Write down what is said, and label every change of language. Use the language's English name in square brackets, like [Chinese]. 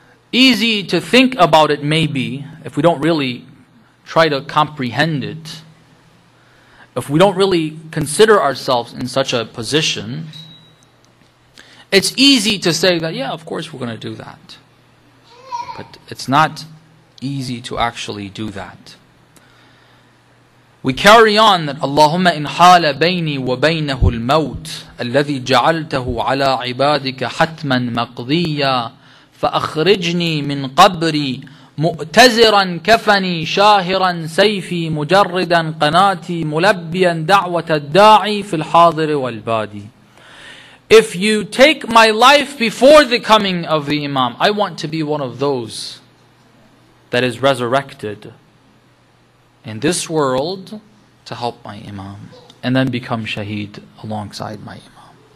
[English] Easy to think about it maybe, if we don't really try to comprehend it. If we don't really consider ourselves in such a position, it's easy to say that, yeah, of course we're going to do that. But it's not easy to actually do that. We carry on that, [Arabic] اللهم إن حال بيني وبينه الموت الذي جعلته على عبادك حتما مقضيا فأخرجني من قبري مؤتزرا كفني شاهرا سيفي مجردا قناتي ملبيا دعوة الداعي في الحاضر والبادي. [English] If you take my life before the coming of the Imam, I want to be one of those that is resurrected in this world to help my Imam and then become shaheed alongside my Imam.